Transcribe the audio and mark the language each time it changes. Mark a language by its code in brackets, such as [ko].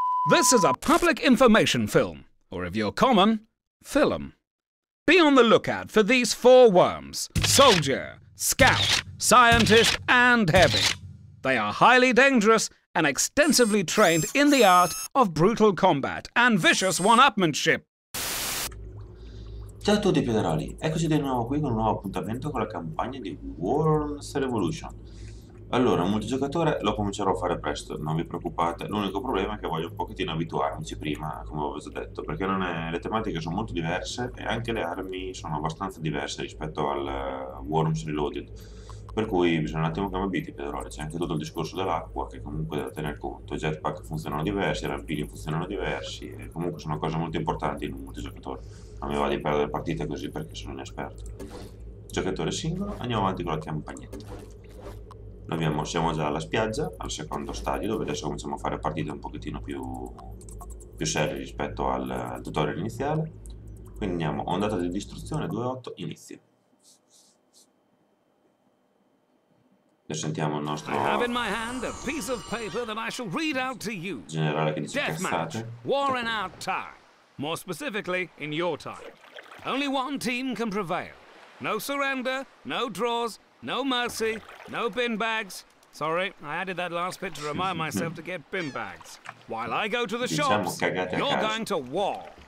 [en] This is a public information film, or if you're common, film. Be on the lookout for these four worms: soldier, scout, scientist, and heavy. They are highly dangerous and extensively trained in the art of brutal combat and vicious one-upmanship. [it] Ciao a tutti pederali, eccoci di nuovo qui con un nuovo appuntamento con la campagna di Worms Revolution. Allora, un multigiocatore lo comincerò a fare presto, non vi preoccupate. L'unico problema è che voglio un pochettino abituarmi prima, come ho già detto, perché non è... le tematiche sono molto diverse e anche le armi sono abbastanza diverse rispetto al Worms Reloaded. Per cui bisogna un attimo che mi abiti, pederali. C'è anche tutto il discorso dell'acqua, che comunque da tener conto. I jetpack funzionano diversi, i rampini funzionano diversi, e comunque sono cose molto importanti in un multigiocatore. Non mi va di perdere partite così perché sono inesperto. Giocatore singolo, andiamo avanti con la campagnetta. Siamo già alla spiaggia, al secondo stadio, dove adesso cominciamo a fare partite un pochettino più serie rispetto al tutorial iniziale. Quindi andiamo, ondata di distruzione 2-8, inizio. E sentiamo il nostro generale che dice cazzate. [en] War in our time. More specifically, in your time. Only one team can prevail. No surrender, no draws, no mercy, no bin bags. Sorry, I added that last bit to remind myself to get bin bags. While I go to the shops, you're going to war.